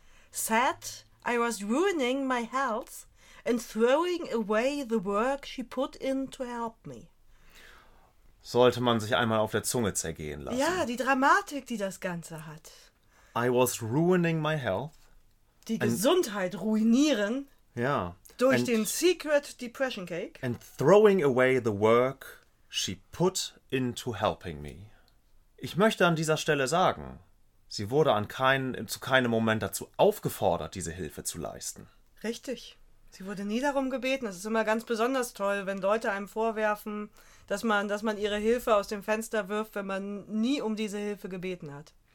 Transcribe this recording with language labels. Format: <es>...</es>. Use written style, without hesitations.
<en>Said I was ruining my health and throwing away the work she put in to help me.</en> <de>Sollte man sich einmal auf der Zunge zergehen lassen. Ja, die Dramatik, die das Ganze hat.</de> <en>I was ruining my health.</en> <de>Die Gesundheit ruinieren. Ja. Durch den Secret Depression Cake.</de> <en>And throwing away the work she put into helping me.</en> <de>Ich möchte an dieser Stelle sagen, sie wurde zu keinem Moment dazu aufgefordert, diese Hilfe zu leisten. Richtig. Sie wurde nie darum gebeten. Es ist immer ganz besonders toll, wenn Leute einem vorwerfen, dass man ihre Hilfe aus dem Fenster wirft, wenn man nie um diese Hilfe gebeten hat.</de>